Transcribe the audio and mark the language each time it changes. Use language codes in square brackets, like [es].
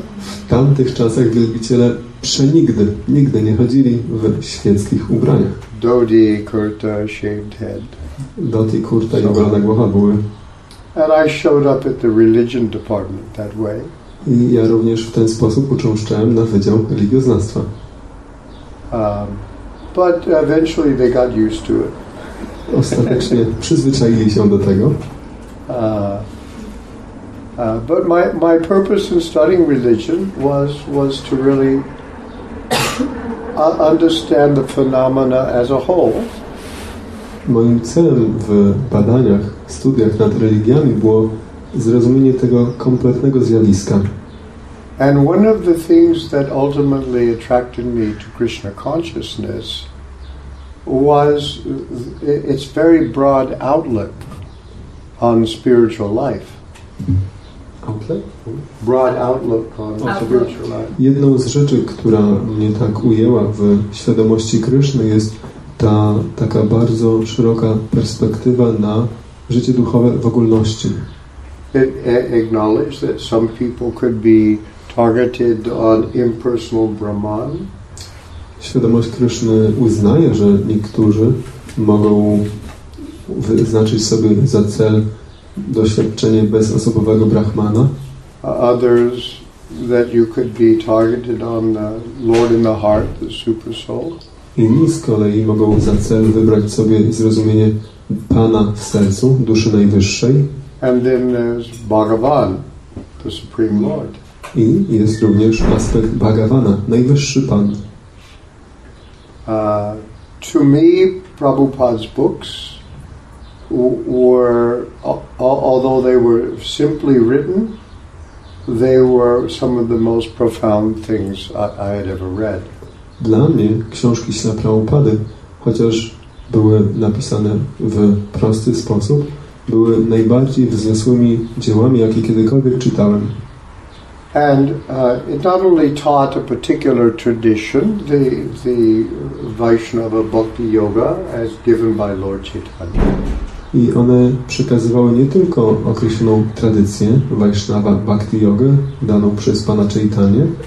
[pl] W tamtych czasach wielbiciele przenigdy, nigdy nie chodzili w świeckich ubraniach. [en] Dhoti, kurta, shaved head. [pl] Dhoti, kurta i ubrana głowa były. [en] And I showed up at the religion department that way. [pl] I ja również w ten sposób uczęszczałem na Wydział Religioznawstwa. [en] But eventually they got used to it. [pl] Ostatecznie przyzwyczaili się do tego. [en] But my purpose in studying religion was to really understand the phenomena as a whole. [pl] Moim celem w badaniach, studiach nad religiami było zrozumienie tego kompletnego zjawiska. [en] And one of the things that ultimately attracted me to Krishna consciousness was its very broad outlook on spiritual life. Broad outlook on spiritual life. [pl] Jedną z rzeczy, która mnie tak ujęła w świadomości Kryszny, jest ta taka bardzo szeroka perspektywa na życie duchowe w ogólności. [en] Acknowledge that some people could be targeted on impersonal Brahman. [pl] Świadomość Kryszny uznaje, że niektórzy mogą wyznaczyć sobie za cel doświadczenie bezosobowego Brahmana. [en] Others that you could be targeted on the Lord in the heart, the super soul. [pl] Inni z kolei mogą za cel wybrać sobie zrozumienie Pana w sercu, Duszy Najwyższej. [en] And then there's Bhagavan, the Supreme Lord. [pl] I jest również aspekt Bhagavana, Najwyższy Pan. [en] To me, Prabhupada's books were, although they were simply written, they were some of the most profound things I had ever read. [pl] Dla mnie książki Śla Prabhupady, chociaż były napisane w prosty sposób, były najbardziej wzniosłymi dziełami, jakie kiedykolwiek czytałem. [en] And it not only taught a particular tradition, the Vaishnava Bhakti Yoga, as given by Lord Chaitanya. [pl] I one przekazywały nie tylko określoną tradycję Vaishnava Bhakti Yoga daną przez Pana Chaitanya,